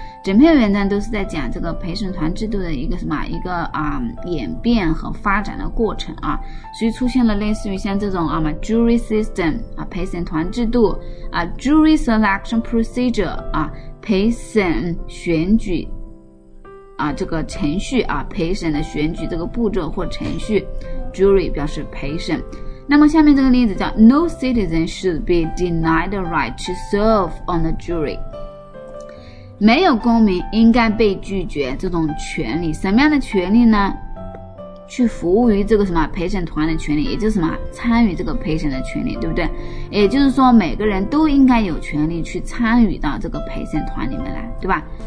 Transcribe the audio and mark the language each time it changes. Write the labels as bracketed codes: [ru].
[zh] 整篇文章都是在讲这个陪审团制度的一个什么一个演变和发展的过程啊，所以出现了类似于像这种jury system 啊，陪审团制度啊 ，jury selection procedure 啊，陪审选举啊，这个程序啊，陪审的选举这个步骤或程序 ，jury 表示陪审。那么下面这个例子叫 [en] No citizen should be denied the right to serve on the jury。 [zh] 没有公民应该被拒绝这种权利，什么样的权利呢？去服务于这个什么陪审团的权利，也就是什么参与这个陪审的权利，对不对？也就是说每个人都应该有权利去参与到这个陪审团里面来，对吧？